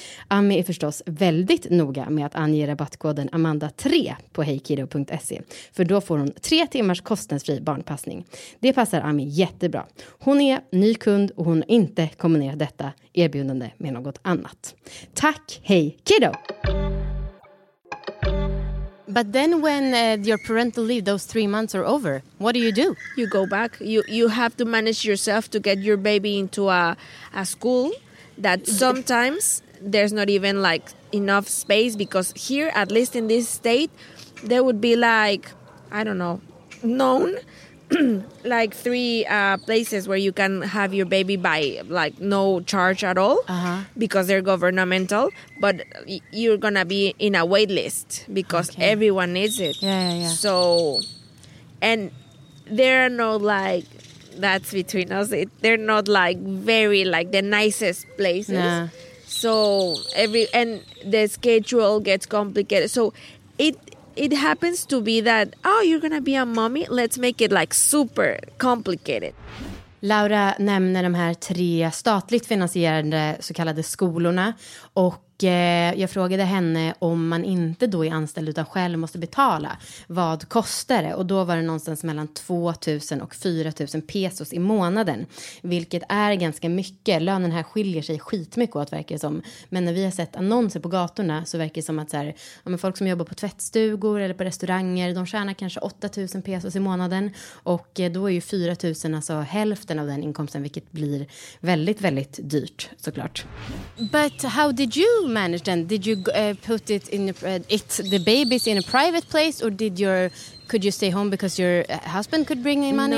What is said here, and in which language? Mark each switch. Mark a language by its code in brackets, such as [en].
[sv] Ami är förstås väldigt noga med att ange rabattkoden Amanda3 på heykiddo.se, för då får hon 3 timmars kostnadsfri barnpassning. Det passar Ami jättebra. Hon är ny kund och hon har inte kombinerat detta erbjudande med något annat. Tack, Hey Kiddo. [en] But then when your parental leave, those 3 months are over, what do? You go back. You have to manage yourself to get your baby into a school that sometimes there's not even like enough space, because here, at least in this state, there would be like, I don't know, known like 3 places where you can have your baby by like no charge at all, because they're governmental, but you're gonna be in a wait list because everyone needs it. Yeah. So, and there are no like, that's between us, they're not like very like the nicest places. Nah. So every, and the schedule gets complicated. So it happens to be that, oh, you're gonna be a mommy, let's make it like super complicated. [sv] Laura nämner de här 3 statligt finansierade så kallade skolorna. Och jag frågade henne om man inte då är anställd utan själv måste betala. Vad kostar det? Och då var det någonstans mellan 2000 och 4000 pesos i månaden. Vilket är ganska mycket. Lönen här skiljer sig skitmycket åt, verkar det som. Men när vi har sett annonser på gatorna så verkar det som att så här, ja, men folk som jobbar på tvättstugor eller på restauranger, de tjänar kanske 8000 pesos i månaden. Och då är ju 4000 alltså hälften av den inkomsten, vilket blir väldigt, väldigt dyrt såklart. [en] But how did you manage then? Did you put it in the babies in a private place, or could you stay home because your husband could bring in money?